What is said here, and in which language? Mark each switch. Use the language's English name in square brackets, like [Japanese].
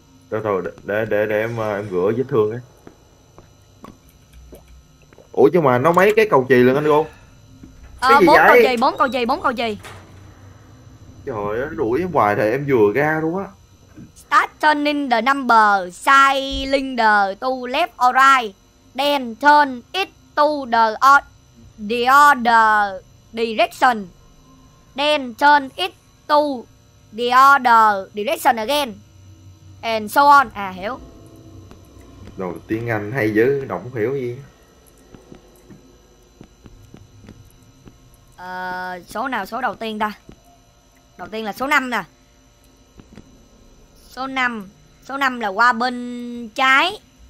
[Vietnamese] Thôi thôi để em rửa vết thương ấy. Ủa chứ mà nó mấy cái cầu chì lên anh luôn. Cái gì vậy? Bốn cầu chì. Trời ơi, đuổi em hoài thì em vừa ra luôn á. [English] Start turning the number, cylinder to left or right, then turn it to the other direction, then turn it to the other direction again, and so on. [Vietnamese] À hiểu. Rồi tiếng Anh hay dữ, đọc không hiểu gì. Số nào số đầu tiên ta? Đầu tiên là số 5 nè. Số 5 là qua bên trái.